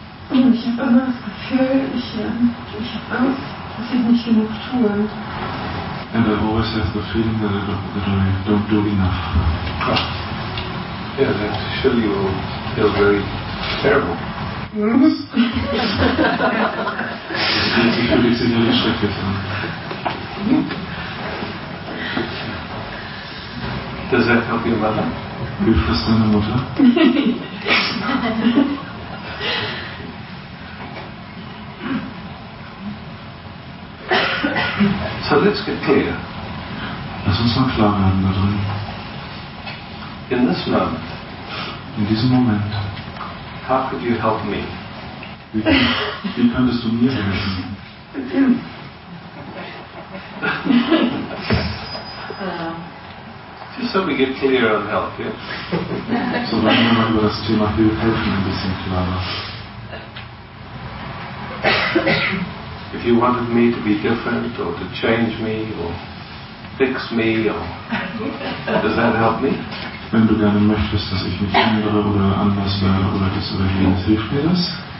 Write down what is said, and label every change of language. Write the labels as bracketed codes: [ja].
[de] Und ich habe immer das Gefühl, ich habe Angst, dass ich nicht genug tue. [en] And I always have the feeling that I don't do enough. Yeah, that surely will feel very terrible. [de] Das ist für die Szenerie schrecklich. [en] Does that help your mother? [de] Hilft das deiner Mutter? [en] So let's get clear. [de] Lass uns mal klar werden da drin. [en] In this moment. [de] In diesem Moment. [en] How could you help me? [de] Wie könntest du mir helfen? [en] Just so we get clear on help, yeah? [de] So wenn wir mal über das Thema helfen ein bisschen klarer. [en] If you wanted me to be different or to change me or fix me or does that help me? [de] Wenn du gerne möchtest, dass ich mich ändere oder anders werde oder das oder jenes, hilft mir das?